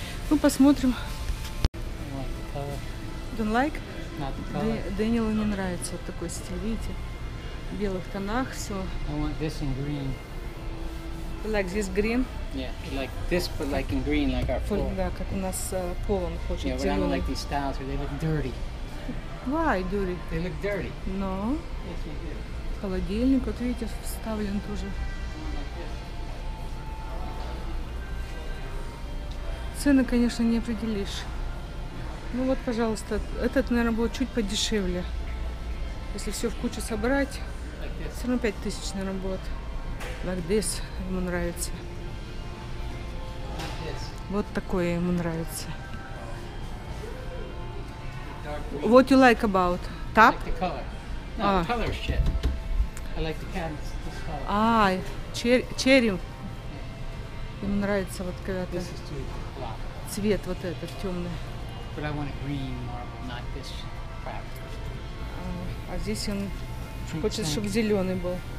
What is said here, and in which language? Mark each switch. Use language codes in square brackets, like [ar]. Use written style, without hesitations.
[ru] Ну, посмотрим. [en] Don't like? [ru] Дэниелу не нравится вот такой стиль, видите, в белых тонах все. [en] I want this in green. You like this green? Yeah, like this, but like in green, like our floor. [ru] Да, как у нас пол он хочет. [en] Yeah, but [ru] зеленый. [en] I don't like these styles, they look dirty. Why dirty? They look dirty. No. Yes, they do. [ru] Холодильник, вот видите, вставлен тоже. Цены, конечно, не определишь. Ну вот, пожалуйста, этот, наверное, будет чуть подешевле. Если все в кучу собрать, [en] like [ru] все равно 5000, наверное, будет. [en] Like this, [ru] ему нравится. [en] Like [ru] вот такое ему нравится. [en] What you like about? Tap? I like the color. No, the color is shit. I like the canvas, this color. [ru] А, черри. [en] Yeah. [ru] Ему нравится вот когда-то цвет вот этот темный. [en] But I want a green marble, not this crap. [ru] А здесь он хочет, чтобы зеленый был.